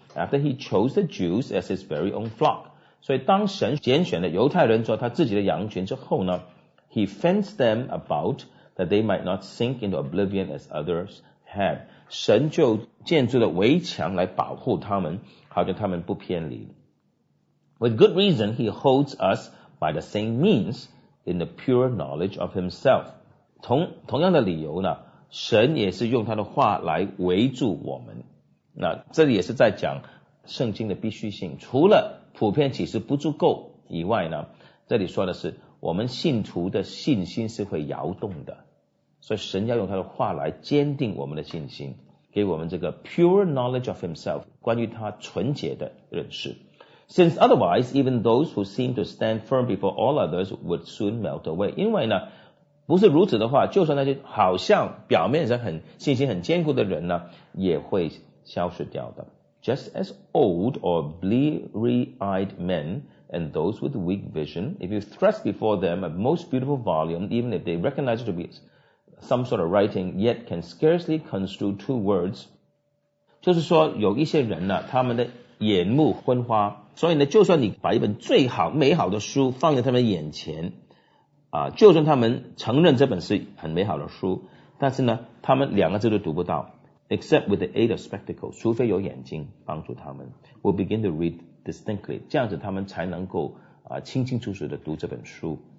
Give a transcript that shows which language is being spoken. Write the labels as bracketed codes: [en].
[en] After he chose the Jews as his very own flock, [zh] 所以当神拣选了犹太人做他自己的羊群之后呢 [en] ，he fenced them about that they might not sink into oblivion as others had. [zh] 神就建筑了围墙来保护他们，好叫他们不偏离。 [en] With good reason, he holds us by the same means in the pure knowledge of himself. [zh] 同样的理由呢，神也是用他的话来围住我们。那这里也是在讲圣经的必须性，除了普遍启示不足够以外呢，这里说的是我们信徒的信心是会摇动的，所以神要用他的话来坚定我们的信心，给我们这个 [en] pure knowledge of himself, [zh] 关于他纯洁的认识。 [en] Since otherwise, even those who seem to stand firm before all others would soon melt away. [zh] 因为呢，不是如此的话，就算那些好像表面上很信心很坚固的人呢，也会消失掉的。 [en] Just as old or bleary-eyed men and those with weak vision, if you thrust before them a most beautiful volume, even if they recognize it to be some sort of writing, yet can scarcely construe two words. [zh] 就是说有一些人呢，他们的眼目昏花，所以呢，就算你把一本最好美好的书放在他们眼前，就算他们承认这本是很美好的书，但是呢他们两个字都读不到， [en] except with the aid of spectacles， [zh] 除非有眼睛帮助他们 [en] will begin to read distinctly， [zh] 这样子他们才能够、清清楚楚地读这本书。